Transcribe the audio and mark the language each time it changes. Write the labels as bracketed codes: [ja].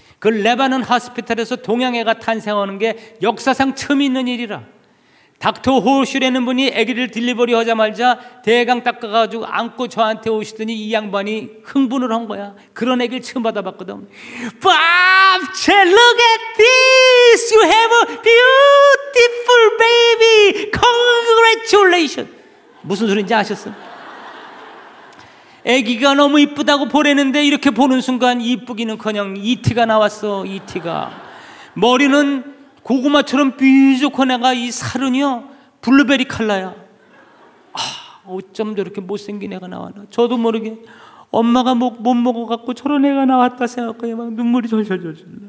[ko] 그 레바논 하스피탈에서 동양애가 탄생하는 게 역사상 처음 있는 일이라. 닥터 호슈라는 분이 아기를 딜리버리 하자마자 대강 닦아가지고 안고 저한테 오시더니 이 양반이 흥분을 한 거야. 그런 아기를 처음 받아봤거든. [en] Bob, look at this! You have a beautiful baby! Congratulations! [ko] 무슨 소리인지 아셨어? 아기가 너무 이쁘다고 보랬는데 이렇게 보는 순간 이쁘기는커녕 이티가 나왔어. 이티가. 머리는 고구마처럼 삐죽한 애가 이 살은요 블루베리 컬러야. 아, 어쩜 저렇게 못생긴 애가 나왔나. 저도 모르게 엄마가 못 먹어갖고 저런 애가 나왔다 생각하니 막 눈물이 절절절절.